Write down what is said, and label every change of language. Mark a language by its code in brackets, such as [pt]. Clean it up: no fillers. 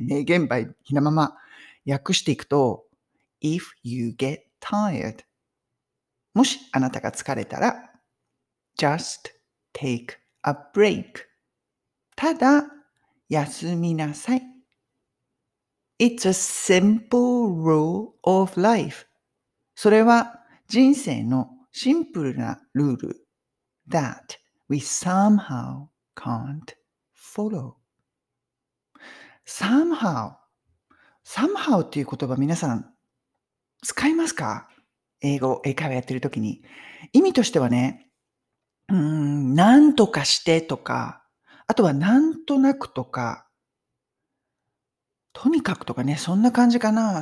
[ja] 名言 by ひなまま。訳していくと、 [en] If you get tired、 [ja] もしあなたが疲れたら、 [en] Just take a break、 [ja] ただ休みなさい。 [en] It's a simple rule of life. [ja] それは人生のシンプルなルール。 [en] That we somehow can't follow. Somehow. [ja] Somehow っていう言葉、皆さん使いますか？英語、英会話やってるときに。意味としてはね、なんとかしてとか、あとはなんとなくとか、とにかくとかね、そんな感じかな。